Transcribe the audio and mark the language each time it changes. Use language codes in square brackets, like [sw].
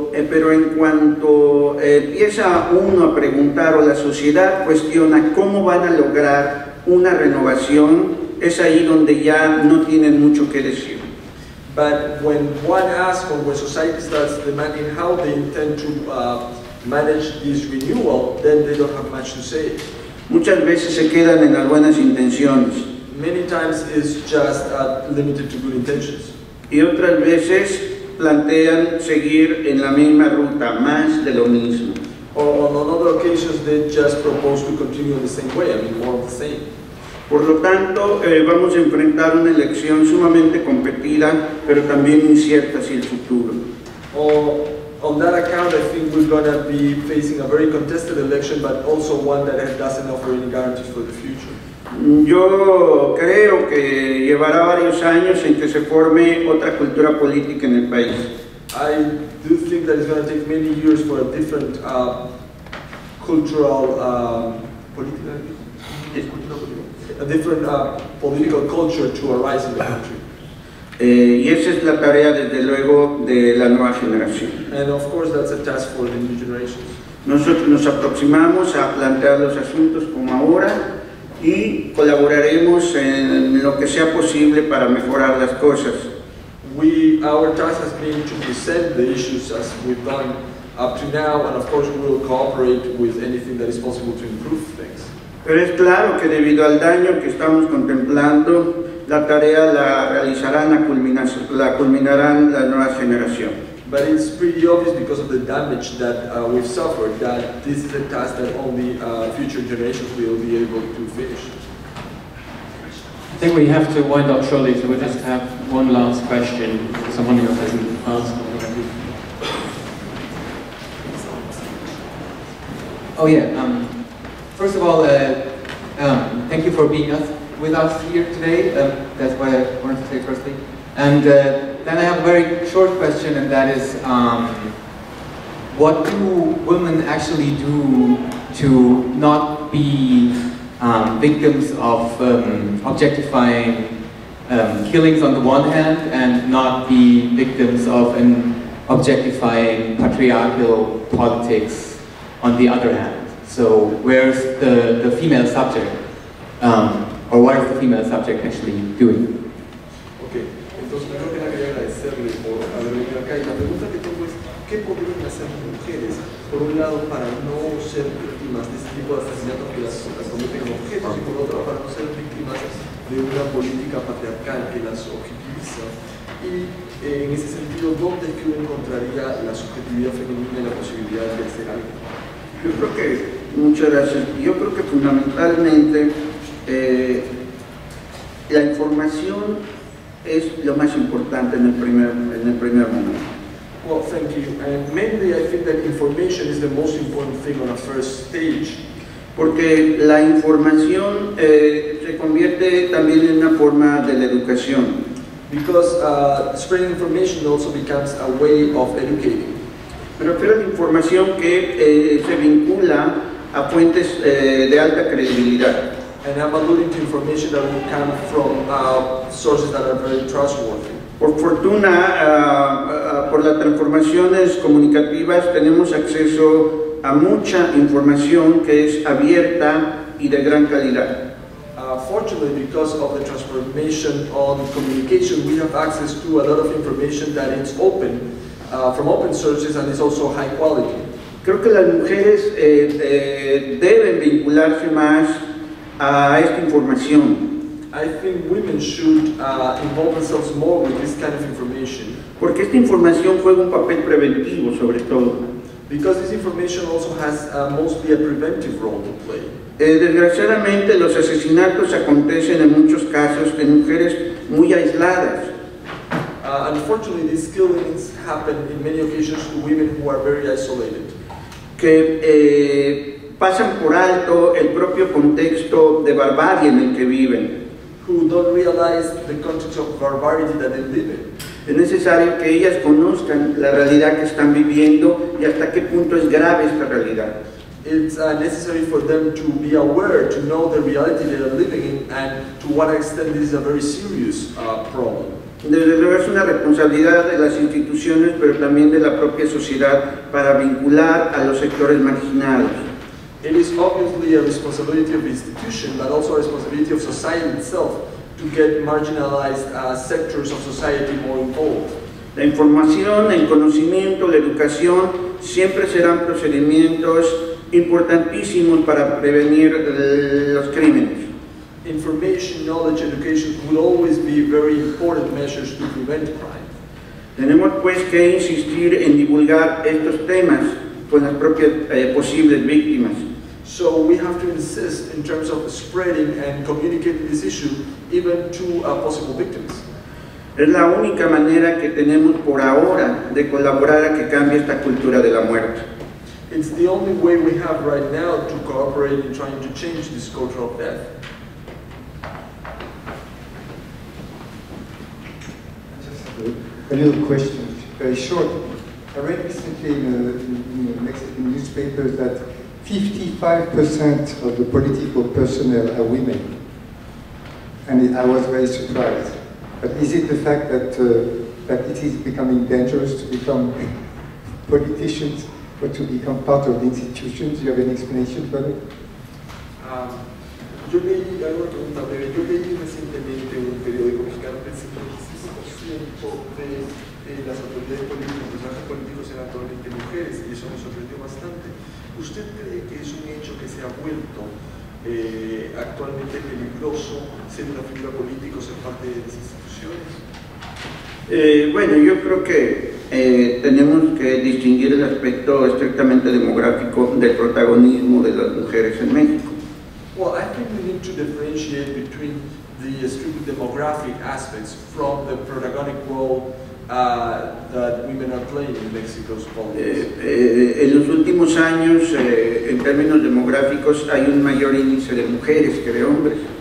[es] Pero en cuanto empieza uno a preguntar o la sociedad cuestiona cómo van a lograr una renovación, es ahí donde ya no tienen mucho que decir. [en] But when one asks or when society starts demanding how they intend to manage this renewal, then they don't have much to say. [es] Muchas veces se quedan en las buenas intenciones. [en] many times is just limited to good intentions. [es] Y otras veces plantean seguir en la misma ruta, más de lo mismo. [en] Or on other occasions they just propose to continue in the same way, I mean more of the same. [es] Por lo tanto, vamos a enfrentar una elección sumamente competida, pero también incierta hacia el futuro. [en] On that account, I think we're going to be facing a very contested election, but also one that doesn't offer any guarantees for the future. [es] Yo creo que llevará varios años en que se forme otra cultura política en el país. [en] I do think that it's going to take many years for a different cultural political culture to arise in the country. [es] Y esa es la tarea, desde luego, de la nueva generación. [en] And of course, that's a task for the new generations. [es] Nosotros nos aproximamos a plantear los asuntos como ahora y colaboraremos en lo que sea posible para mejorar las cosas. [en] Our task has been to present the issues as we've done up to now, and of course, we will cooperate with anything that is possible to improve things. [es] Pero es claro que debido al daño que estamos contemplando, la tarea la realizarán, la culminarán la nueva generación. [en] But it's pretty obvious because of the damage that we've suffered that this is a task that only future generations will be able to finish. I think we have to wind up shortly, so we'll just have one last question. Someone here hasn't asked. Oh yeah, first of all, thank you for being with us here today. That's why I wanted to say firstly. And then I have a very short question, and that is, what do women actually do to not be victims of objectifying killings on the one hand, and not be victims of an objectifying patriarchal politics on the other hand? So where's the female subject, or what is the female subject actually doing? [es] Okay, entonces primero que nada quería agradecerle por haber venido acá, y la pregunta que tengo es, ¿qué podrían hacer mujeres, por un lado, para no ser víctimas de este tipo de asesinatos que las cometen como objetos, y por otro, para no ser víctimas de una política patriarcal que las objetiviza? Y en ese sentido, ¿dónde es que uno encontraría la subjetividad femenina y la posibilidad de hacer algo? Yo creo que, muchas gracias, yo creo que fundamentalmente la información es lo más importante en el primer momento. [en] Well, thank you. And mainly I think that information is the most important thing on a first stage. [es] Porque la información se convierte también en una forma de la educación. [en] Because spreading information also becomes a way of educating. [es] Me refiero a la información que se vincula a fuentes de alta credibilidad. [en] And I'm alluding to information that will come from sources that are very trustworthy. [es] Por fortuna, por las transformaciones comunicativas, tenemos acceso a mucha información que es abierta y de gran calidad. [en] Fortunately, because of the transformation on communication, we have access to a lot of information that is open. From open sources, and it's also high quality. [es] Creo que las mujeres deben vincularse más a esta información. [en] I think women should involve themselves more with this kind of information. [es] Porque esta información juega un papel preventivo, sobre todo. [en] Because this information also has mostly a preventive role to play. [es] Desgraciadamente, los asesinatos acontecen en muchos casos en mujeres muy aisladas. [en] Unfortunately, these killings happen in many occasions to women who are very isolated. [es] Que pasan por alto el propio contexto de barbarie en el que viven. [en] Who don't realize the context of barbarity that they live in. [es] Es necesario que ellas conozcan la realidad que están viviendo y hasta qué punto es grave esta realidad. [en] It's necessary for them to be aware, to know the reality they are living in, and to what extent this is a very serious problem. [es] Desde luego es una responsabilidad de las instituciones, pero también de la propia sociedad, para vincular a los sectores marginados. [en] It is obviously a responsibility of the institution, but also a responsibility of society itself to get marginalized sectors of society more involved. [es] La información, el conocimiento, la educación siempre serán procedimientos importantísimos para prevenir los crímenes. [en] information, knowledge, education would always be very important measures to prevent crime. [es] Tenemos pues que insistir en divulgar estos temas con las propias posibles víctimas. [en] So we have to insist in terms of spreading and communicating this issue even to possible victims. [es] Es la única manera que tenemos por ahora de colaborar a que cambie esta cultura de la muerte. [en] It's the only way we have right now to cooperate in trying to change this culture of death. A little question, very short. I read recently in the Mexican newspapers that 55% of the political personnel are women. And I was very surprised. But is it the fact that that it is becoming dangerous to become politicians or to become part of the institutions? Do you have any explanation for that? [es] Yo leí, hago una pregunta breve, yo leí recientemente un periódico mexicano que el 55% de las autoridades políticas, los trabajos políticos eran totalmente mujeres, y eso me sorprendió bastante. ¿Usted cree que es un hecho que se ha vuelto actualmente peligroso ser una figura política o ser parte de las instituciones? Bueno, yo creo que tenemos que distinguir el aspecto estrictamente demográfico del protagonismo de las mujeres en México. [en] Well, I think we need to differentiate between the strictly demographic aspects from the protagonic role that women are playing in Mexico's politics. [es] En los últimos años, en términos demográficos, hay un mayor índice de mujeres que de hombres.